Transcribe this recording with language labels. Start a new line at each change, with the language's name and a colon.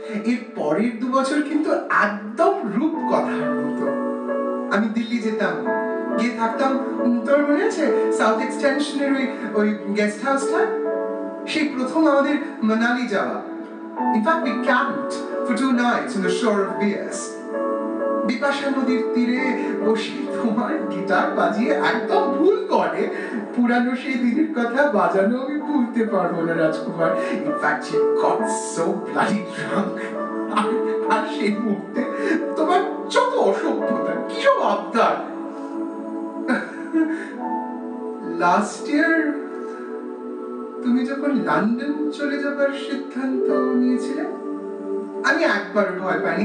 Bangla: এর পরের দু বছর কিন্তু একদম রূপ কথার মতো। আমি দিল্লি যেতাম, গিয়ে থাকতাম, তোর মনে আছে সাউথ এক্সটেনশনের ওই গেস্ট হাউসটা? সেই প্রথম আমাদের মানালি যাওয়া।
English: In fact, we camped for two nights on the shore of BS.
Bangla: Bipasha নদীর তীরে বসে তোমার গিটার বাজিয়ে একদম ভুল করে পুরানো সেই দিনের কথা বাজানো আমি ভুলতে পারবো না রাজকুমার।
English: In fact, she got so bloody drunk.
Bangla: আর সেই মুহূর্তে তোমার যত অসভ্যতা, কি সব আবদার। লাস্ট ইয়ার তুমি যখন লন্ডন চলে যাবার সিদ্ধান্ত নিয়েছিলে, আমি একবার ভয় পাইনি।